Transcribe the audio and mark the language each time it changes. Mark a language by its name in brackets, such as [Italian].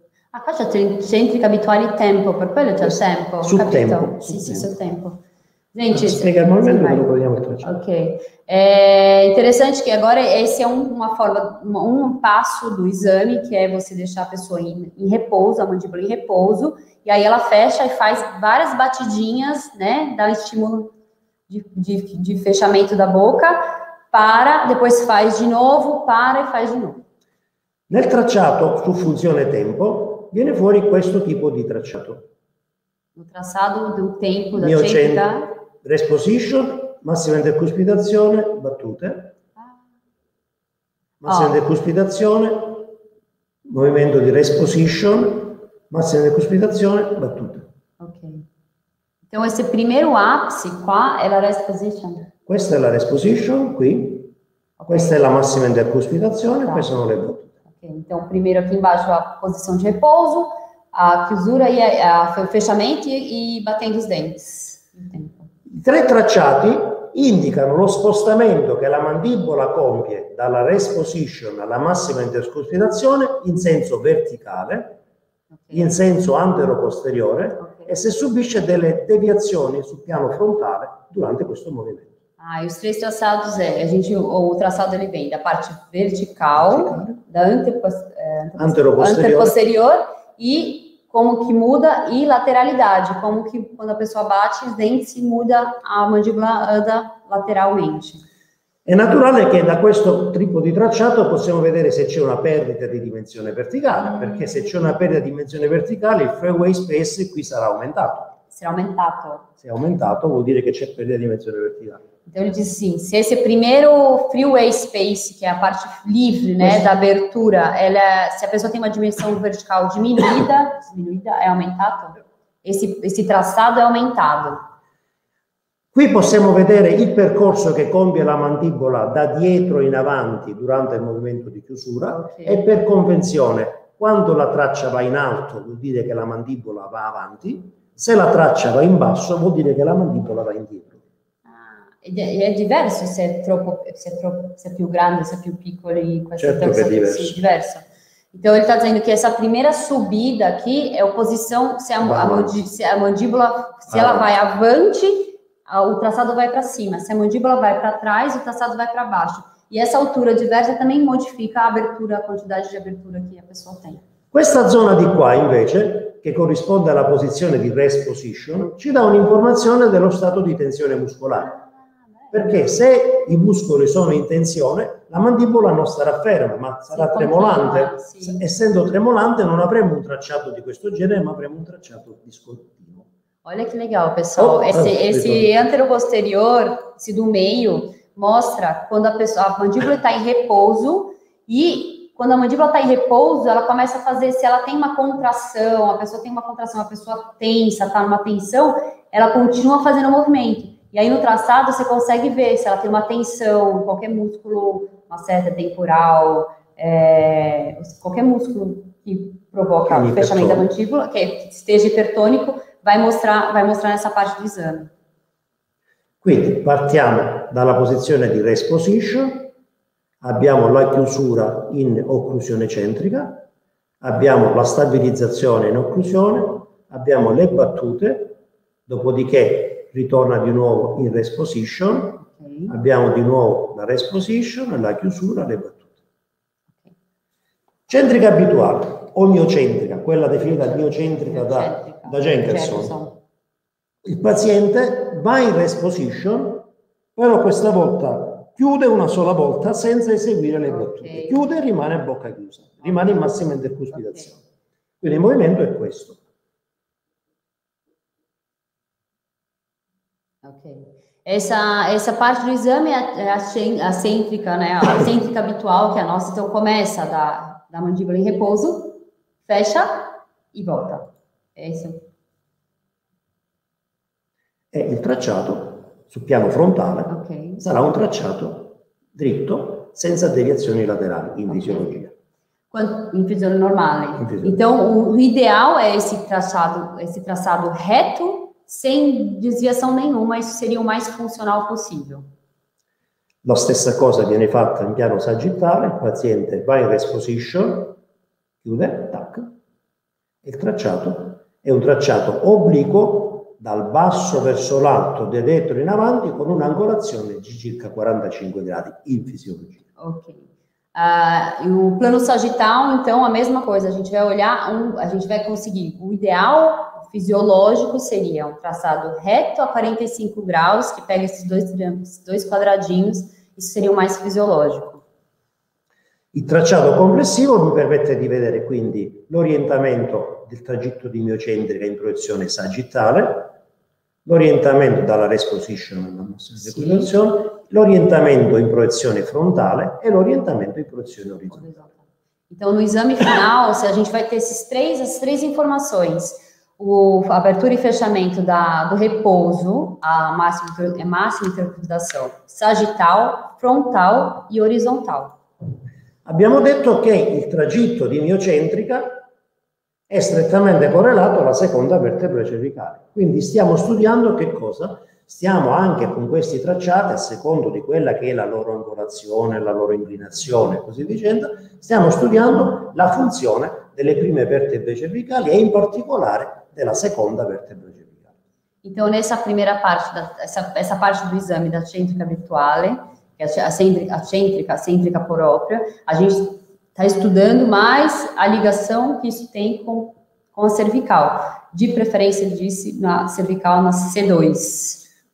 [Italian] Ah, qua c'è centrica abituale tempo, per quello c'è il tempo. Sul tempo. Sì, sul tempo. Gente, spiega il movimento, lo vogliamo tracciare. [Portuguese] Ok, [Italian] è interessante che [Portuguese] agora esse é uma forma, um passo do exame, que é você deixar a pessoa em repouso, a mandíbula em repouso, e aí ela fecha e faz várias batidinhas, né, dá estímulo de fechamento da boca, para, depois faz de novo, para e faz de novo. [Italian] Nel tracciato su funzione tempo, viene fuori questo tipo di tracciato. [Portuguese] O traçado do tempo da técnica. [Italian] Resposition, massima intercuspidazione, battute. Massima intercuspidazione, movimento di resposition, massima intercuspidazione, battute. Ok. [Portuguese] Então, esse primeiro ápice [Italian] qua è la resposition. Questa è la resposition, qui. Okay. Questa è la massima intercuspidazione, tá. Queste sono le battute. [Portuguese] Ok, então, primeiro aqui embaixo a posição de repouso, a chiusura e a fechamento e batendo os dentes. Entendi. [Italian] I tre tracciati indicano lo spostamento che la mandibola compie dalla resposition alla massima intercuspidazione in senso verticale, okay. In senso antero-posteriore, okay. E se subisce delle deviazioni sul piano frontale durante questo movimento. [Portuguese] Ah, e os três traçados, o traçado ele vem da parte vertical, da [Italian] antero-posteriore, [Portuguese] e como que muda e lateralidade, como que quando a pessoa bate os dentes e muda a mandíbula anda lateralmente. [Italian] É natural que da questo tipo de tracciato possiamo vedere se c'è una perdita di dimensione verticale, porque se c'è una perdita di dimensione verticale, il freeway space qui sarà aumentato. Sarà aumentato. Se è aumentato vuol dire che c'è perdita di dimensione verticale. [Portuguese] Então ele diz assim, se esse primeiro freeway space, que é a parte livre, né, da abertura, ela, se a pessoa tem uma dimensão vertical diminuída, é aumentado? Esse traçado é aumentado. [Italian] Qui possiamo vedere il percorso che compie la mandibola da dietro in avanti durante il movimento di chiusura, okay. E per convenzione, quando la traccia va in alto vuol dire che la mandibola va avanti, se la traccia va in basso vuol dire che la mandibola va indietro. È diverso se è più grande, se è più piccolo in questo certo senso, che è diverso. Sì, diverso. [Portuguese] Então ele está dizendo que essa primeira subida aqui é a posição, se a mandíbula, se ela vai avante, o traçado vai para cima. Se a mandíbula vai para trás, o traçado vai para baixo. E essa altura diversa também modifica a abertura, a quantidade de abertura que a pessoa tem. [Italian] Questa zona di qua, invece, che corrisponde alla posizione di rest position, ci dà un'informazione dello stato di tensione muscolare. Perché se i muscoli sono in tensione, la mandibola non sarà ferma, ma sarà tremolante. Sì. Essendo tremolante non avremo un tracciato di questo genere, ma avremo un tracciato discontinuo. [Portuguese] Olha que legal, pessoal. Esse antero-posterior, esse do meio, mostra quando a mandíbula está em repouso e quando a mandíbula está em repouso, ela começa a fazer, se ela tem uma contração, a pessoa tem uma contração, a pessoa tensa, está numa tensão, ela continua fazendo o movimento. E aí no traçado você consegue ver se ela tem uma tensão, qualquer músculo, uma seta temporal, qualquer músculo que provoca o fechamento da mandíbula, que esteja hipertônico, vai mostrar nessa parte do exame. [Italian] Quindi partiamo dalla posizione di rest position, abbiamo la chiusura in occlusione centrica, abbiamo la stabilizzazione in occlusione, abbiamo le battute, dopodiché ritorna di nuovo in rest position, okay. Abbiamo di nuovo la rest position, la chiusura, le battute. Okay. Centrica abituale, o miocentrica, quella definita miocentrica da Jenkinson. Il paziente va in rest position, però questa volta chiude una sola volta senza eseguire le battute. Okay. Chiude e rimane a bocca chiusa, rimane in massima intercuspidazione. Okay. Quindi il movimento è questo. Ok. [Portuguese] Essa parte do exame é a cêntrica, né? A cêntrica habitual, que é a nossa. Então, começa da mandíbula em repouso, fecha e volta. É isso. [Italian] E o tracciato sul piano frontale, okay. Sarà um tracciato dritto, senza deviazioni laterali, in fisiologia. [Portuguese] Em fisiologia normale. Então, o ideal é esse traçado reto, sem desviação nenhuma, isso seria o mais funcional possível. [Italian] La stessa cosa viene fatta in piano sagittale, il paziente va in rest position, chiude, tac, il tracciato è un tracciato obliquo dal basso verso l'alto, di dietro in avanti, con un'angolazione di circa 45 gradi in fisiologia. Ok. [Portuguese] O plano sagittal, então, a mesma coisa, a gente vai olhar, a gente vai conseguir, o ideal fisiológico seria um traçado reto a 45 graus, que pega esses dois quadradinhos, isso seria o mais fisiológico. [Italian] Il tracciato complessivo mi permette di vedere quindi l'orientamento del tragitto di miocentrica in proiezione sagittale, l'orientamento dalla rest position alla mossa di equilibrazione, sì, l'orientamento in proiezione frontale e l'orientamento in proiezione orizzontale. [Portuguese] Então, no exame final, se a gente vai ter essas três informações, o apertura e fechamento do repouso, a máxima interpretação sagittal, frontal e horizontal. [Italian] Abbiamo detto che il tragitto di miocentrica è strettamente correlato alla seconda vertebra cervicale. Quindi stiamo studiando che cosa? Stiamo anche con questi tracciati, a secondo di quella che è la loro angolazione, la loro inclinazione e così dicendo, stiamo studiando la funzione delle prime vertebre cervicali e in particolare della seconda vertebra cervicale. [Portuguese] Então, nessa primeira parte, essa parte do exame da [Italian] centrica virtuale, [Portuguese] que é a cêntrica própria, a gente está estudando mais a ligação que isso tem com a cervical, de preferência, ele disse, na cervical, na C2.